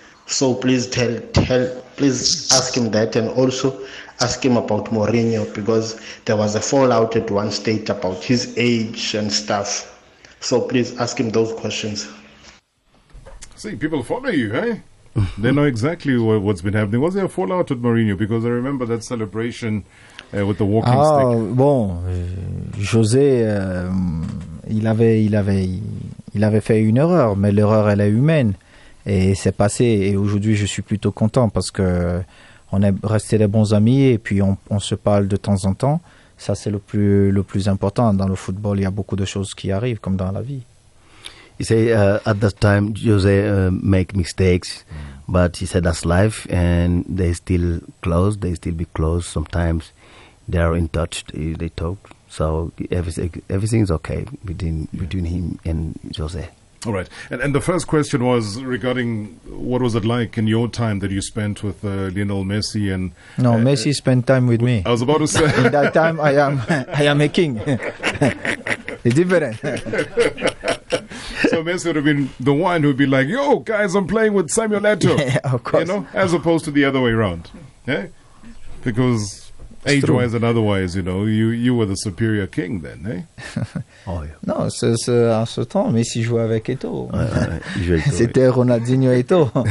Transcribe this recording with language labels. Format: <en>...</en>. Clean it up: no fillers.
<en>So please tell please ask him that, and also ask him about Mourinho, because there was a fallout at one stage about his age and stuff. So please ask him those questions. See, people follow you, eh? They know exactly what's been happening. Was there a fallout with Mourinho? Because I remember that celebration with the walking stick.</en> <fr>Bon, José, il avait fait une erreur, mais l'erreur, elle est humaine. Et c'est passé. Et aujourd'hui, je suis plutôt content parce qu'on est restés les bons amis et puis on se parle de temps en temps. Ça, c'est le plus important. Dans le football, il y a beaucoup de choses qui arrivent, comme dans la vie.</fr> <en>He said at that time Jose make mistakes, but he said that's life, and they still close. They still be close. Sometimes they are in touch. They talk. So everything is okay between him and Jose. All right. And the first question was regarding what was it like in your time that you spent with Lionel Messi and no Messi spent time with me. I was about to say in that time I am a king. It's different. So Messi would have been the one who'd be like, yo, guys, I'm playing with Samuel Eto'o. Yeah, of course. You know, as opposed to the other way around. Yeah? Because age-wise and otherwise, you know, you were the superior king then, eh? Oh, yeah.</en> <fr>No, en ce temps, Messi jouait avec Eto'o. C'était Ronaldinho Eto'o.</fr>